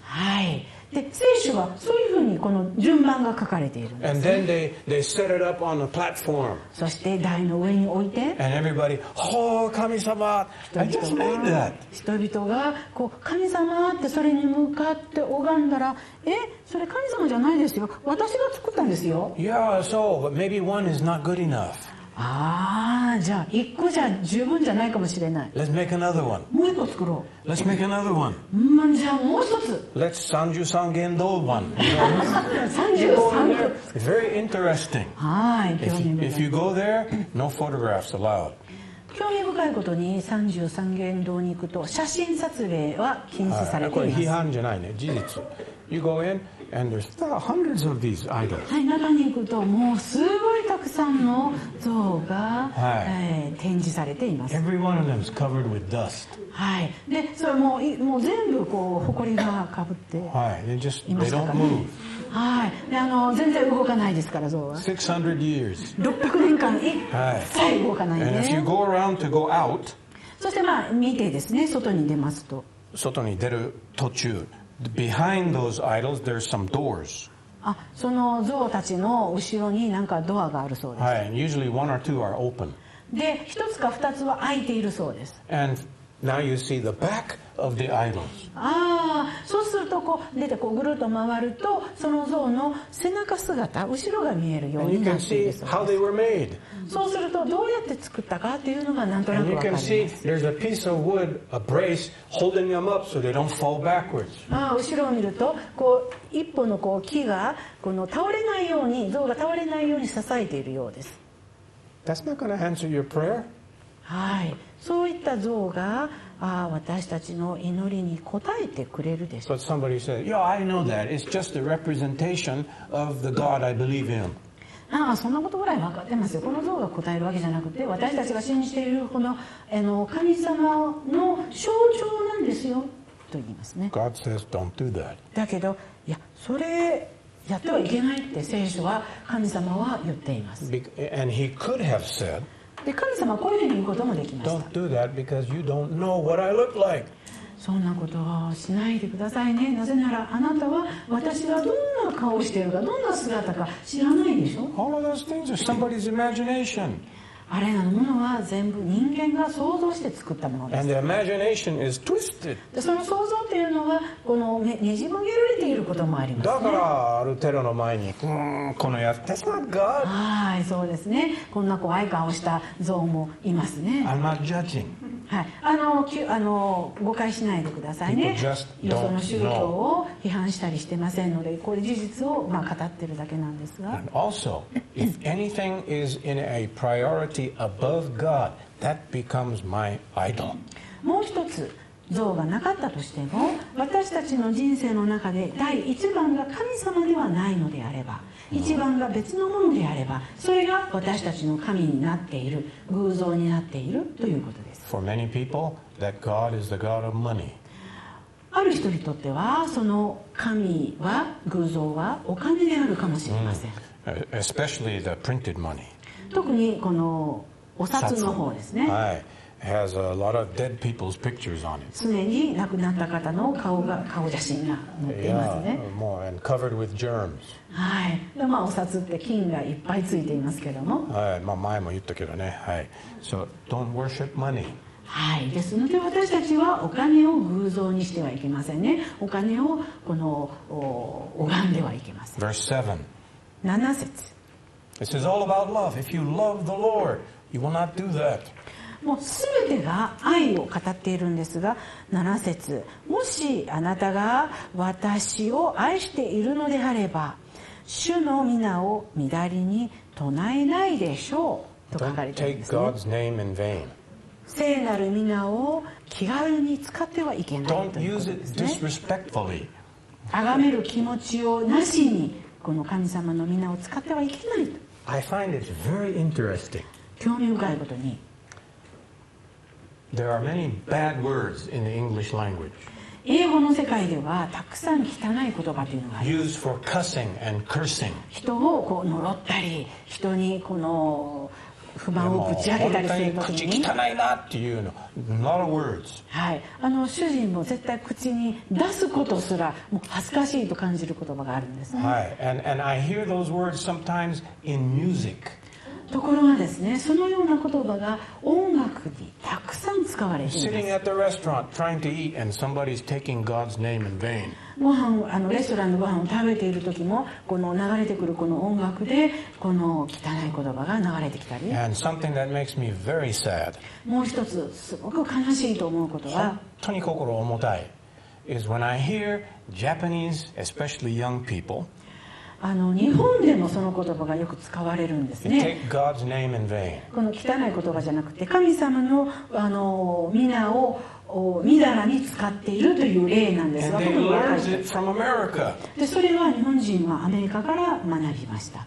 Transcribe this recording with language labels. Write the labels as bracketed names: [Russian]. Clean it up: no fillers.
[Japanese] はい、で聖書はそういうふうにこの順番が書かれているんです、ね。 [English] And then they set it up on a platform. [Japanese] そして台の上に置いて、 [English] And everybody, oh, 神様、I just made that. [Japanese] 人々がこう神様ってそれに向かって拝んだら、それ神様じゃないですよ。私が作ったんですよ。 [English] Yeah, so maybe one is not good enough. [Japanese] ああ、じゃあ一個じゃ十分じゃないかもしれない。 [English] Let's make another one. [Japanese] もう一個作ろう。 [English] Let's make another one. [Japanese] じゃあもう一つ。 [English] Let's 三十三元堂 one. [Japanese] 三十三元。 [English] Very interesting. [Japanese] はい、興味深い。 [English] If you go there, no photographs allowed. [Japanese] 興味深いことに三十三間堂に行くと写真撮影は禁止されています。これ批判じゃないね、事実。 [English] You go in and there's hundreds of these idols. [Japanese] はい、中に行くともうすごいたくさんの像が、はい、展示されています。 [English] Every one of them is covered with dust. [Japanese] はい、でそれもう全部こう埃がかぶっていましたか、ね。 [English] はい、they just don't move. [Japanese] はい、で全然動かないですから、象は [English] 600 years. [Japanese] 600年間一切動かないね。 [English] And if you go around to go out, [Japanese] そして見てですね、外に出ますと、外に出る途中、 [English] behind those idols there's some doors. [Japanese] あ、その象たちの後ろになんかドアがあるそうです。 [English] はい、 and usually one or two are open. [Japanese] で一つか二つは開いているそうです。 [English] and now you see the backOf the idols. [Japanese] ああ、そうするとこう出てこうぐるっと回るとその像の背中姿後ろが見えるようになっているそうです。 [English] How they were made. [Japanese] そうするとどうやって作ったかというのがなんとなくわかります [English] 。And you can see there's a piece of wood, a brace holding them up so they don't fall backwards. [Japanese] ああ、後ろを見るとこう一本のこう木がこの倒れないように像が倒れないように支えているようです。 [English] That's not going to answer your prayer. [Japanese] はい、そういった像が。ああ私たちの祈りに応えてくれるでしょう。 [English] But somebody said, yeah, I know that. It's just a representation of the God I believe in. [Japanese] ああそんなことぐらい分かってますよ。この像が答えるわけじゃなくて、私たちが信じているこの神様の象徴なんですよと言いますね。 [English] God says, don't do that. [Japanese] だけど、いやそれやってはいけないって聖書は神様は言っています。 [English] And he could have said. [Japanese] で神様はこういうふうに言うこともできました。 [English] Don't do that because you don't know what I look like. [Japanese] そんなことをしないでくださいね。なぜならあなたは私がどんな顔をしているかどんな姿か知らないでしょ。 [English] All of those things are somebody's imagination. [Japanese] あれらのものは全部人間が想像して作ったものです。 [English] And the imagination is twisted. [Japanese] でその想像というのはこの ねじ曲げられていることもありますね。だからアルテロの前にこのやつ [English] That's not God. [Japanese] はい、そうですね。こんな怖い顔した像もいますね。 [English] I'm not judging. [Japanese] はい、誤解しないでくださいね。 [English] People just don't know. [Japanese] 宗教を批判したりしてませんので、これ事実を語ってるだけなんですが。 [English] And also, if anything is in a priority above God, that becomes my idol. [Japanese] もう一つ像がなかったとしても、私たちの人生の中で第一番が神様ではないのであれば、一番が別のものであれば、それが私たちの神になっている、偶像になっているということです。 [English] For many people, that God is the God of money. [Japanese] ある人にとっては、その神は、偶像はお金であるかもしれません。 [English] Especially the printed money. [Japanese] 特にこのお札の方ですね。 [English] はい。Has a lot of dead people's pictures on it. [Japanese] 常に亡くなった方の顔写真が載っていますね。 [English] Yeah, more and covered with germs. [Japanese] はい。で、お札って菌がいっぱいついていますけども。はい。前も言ったけどね。はい。 [English] So don't worship money. [Japanese] はい。ですので私たちはお金を偶像にしてはいけませんね。お金をこの拝んではいけません。 [English] Verse [Japanese] 7. 7節。 [English] It says all about love. If you love the Lord, you will not do that. [Japanese] もうすべてが愛を語っているんですが、7節、もしあなたが私を愛しているのであれば、主の御名を乱れに唱えないでしょうと書かれていますね。 [English] Don't take God's name in vain. [Japanese] 聖なる御名を気軽に使ってはいけないということですね。 [English] Don't use it disrespectfully. [Japanese] 崇める気持ちをなしにこの神様の御名を使ってはいけないと。 [English] I find it very interesting. [Japanese] 興味深いことに。 [English] There are many bad words in the English language. [Japanese] 英語の世界ではたくさん汚い言葉というのがあります。 [English] Used for cussing and cursing. [Japanese] 人をこう呪ったり、人にこの不満をぶち当てたりするときに、本当に口汚いなっていうの、 [English] not a words. [Japanese] はい、主人も絶対口に出すことすらもう恥ずかしいと感じる言葉があるんですね。 [English] はい、and I hear those words sometimes in music. [Japanese] ところがですね、そのような言葉が音楽にたくさん使われています。 [English] Sitting at the restaurant trying to eat and somebody's taking God's name in vain. [Japanese] ご飯レストランのご飯を食べている時も、この流れてくるこの音楽でこの汚い言葉が流れてきたり。 [English] And something that makes me very sad. [Japanese] もう一つすごく悲しいと思うことは、本当に心重たい、 [English] is when I hear Japanese, especially young people. [Japanese] あの日本でもその言葉がよく使われるんですね。 [English] Take God's name in vain. [Japanese] この汚い言葉じゃなくて神様の皆をみだらに使っているという例なんです。 [English] And they learned it from America. [Japanese] でそれは日本人はアメリカから学びました。